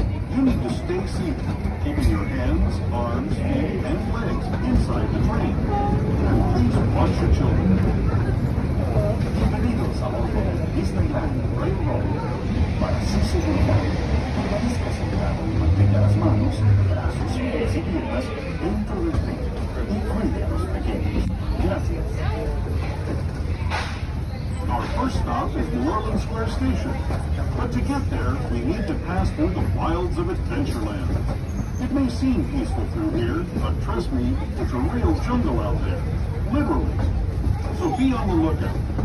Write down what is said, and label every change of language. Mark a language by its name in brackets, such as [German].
[English] You need to stay seated, keeping your hands, arms, feet, and legs inside the train. And please watch your children. [Spanish] Bienvenidos a bordo Disneyland Railroad. Para así seguir, permanezca sentado y mantenga las manos, brazos y pies y piernas dentro del tren. Y cuide a los pequeños. Gracias. [English] Our first stop is New Orleans Square Station. But to get there, we need to pass through the wilds of Adventureland. It may seem peaceful through here, but trust me, it's a real jungle out there. Literally. So be on the lookout.